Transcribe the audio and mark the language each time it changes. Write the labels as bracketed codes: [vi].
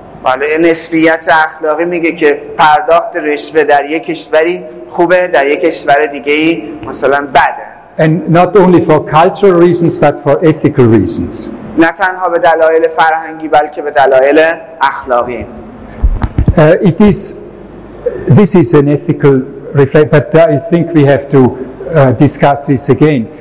[fa] بله، نسبیت اخلاقی میگه که پرداخت رشوه در یک کشوری خوبه، در یک کشور دیگه مثلا بده. [en] And not only for cultural reasons, but for ethical reasons. [fa] نه تنها به دلایل فرهنگی، بلکه به دلایل اخلاقی. [en] It is. This is an ethical reflect, but I think we have to discuss this again.